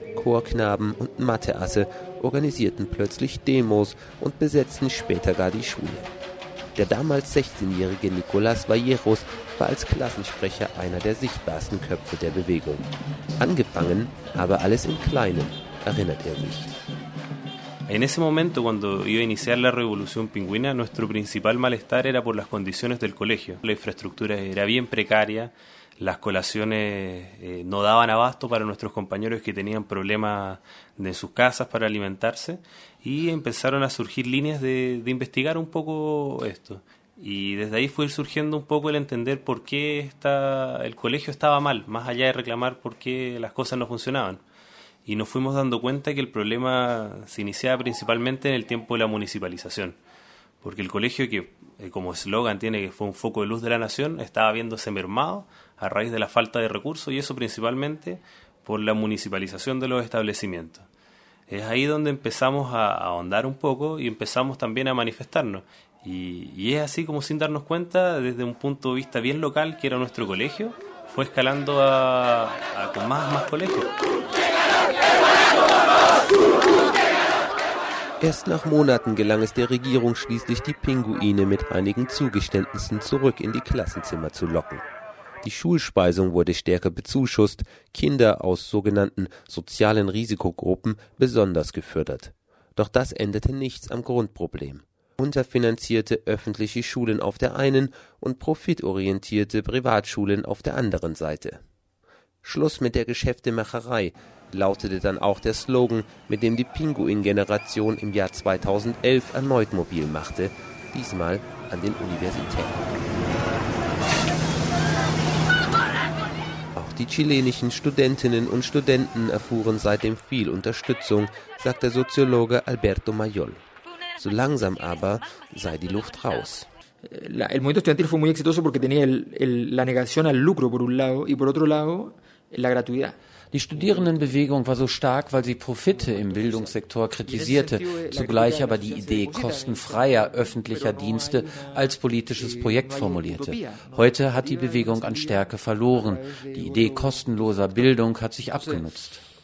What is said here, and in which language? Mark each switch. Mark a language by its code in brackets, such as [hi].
[de] Chorknaben und Matheasse organisierten plötzlich Demos und besetzten später gar die Schule. Der damals 16-jährige Nicolás Valleros war als Klassensprecher einer der sichtbarsten Köpfe der Bewegung. Angefangen habe alles im Kleinen, erinnert er sich. [es] En ese momento, cuando iba a iniciar la revolución pingüina, nuestro principal malestar era por las condiciones del colegio. La infraestructura era bien precaria, las colaciones no daban abasto para nuestros compañeros que tenían problemas de sus casas para alimentarse, y empezaron a surgir líneas de investigar un poco esto. Y desde ahí fue surgiendo un poco el entender por qué el colegio estaba mal, más allá de reclamar por qué las cosas no funcionaban. Y nos fuimos dando cuenta que el problema se iniciaba principalmente en el tiempo de la municipalización. Porque el colegio, que como eslogan tiene que fue un foco de luz de la nación, estaba viéndose mermado a raíz de la falta de recursos, y eso principalmente por la municipalización de los establecimientos. Es ahí donde empezamos a ahondar un poco y empezamos también a manifestarnos. Y es así como, sin darnos cuenta, desde un punto de vista bien local, que era nuestro colegio, fue escalando a con más colegios. [de] Erst nach Monaten gelang es der Regierung schließlich, die Pinguine mit einigen Zugeständnissen zurück in die Klassenzimmer zu locken. Die Schulspeisung wurde stärker bezuschusst, Kinder aus sogenannten sozialen Risikogruppen besonders gefördert. Doch das änderte nichts am Grundproblem: unterfinanzierte öffentliche Schulen auf der einen und profitorientierte Privatschulen auf der anderen Seite. Schluss mit der Geschäftemacherei, lautete dann auch der Slogan, mit dem die Pinguin-Generation im Jahr 2011 erneut mobil machte, diesmal an den Universitäten. Auch die chilenischen Studentinnen und Studenten erfuhren seitdem viel Unterstützung, sagt der Soziologe Alberto Mayol. So langsam aber sei die Luft raus. [es] El movimiento estudiantil fue muy exitoso porque tenía la negación al lucro por un lado y por otro lado la gratuidad. [de] Die Studierendenbewegung war so stark, weil sie Profite im Bildungssektor kritisierte, zugleich aber die Idee kostenfreier öffentlicher Dienste als politisches Projekt formulierte. Heute hat die Bewegung an Stärke verloren. Die Idee kostenloser Bildung hat sich abgenutzt.